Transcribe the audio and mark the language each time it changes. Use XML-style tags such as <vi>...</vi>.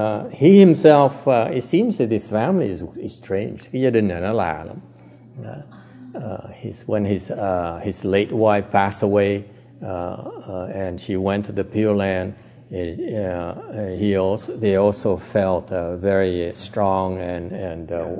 <en>He himself, it seems that this family is strange.</en> <vi>Cái gia đình này nó lạ lắm.</vi> <en>When his late wife passed away, and she went to the Pure Land, they also felt very strong and</en>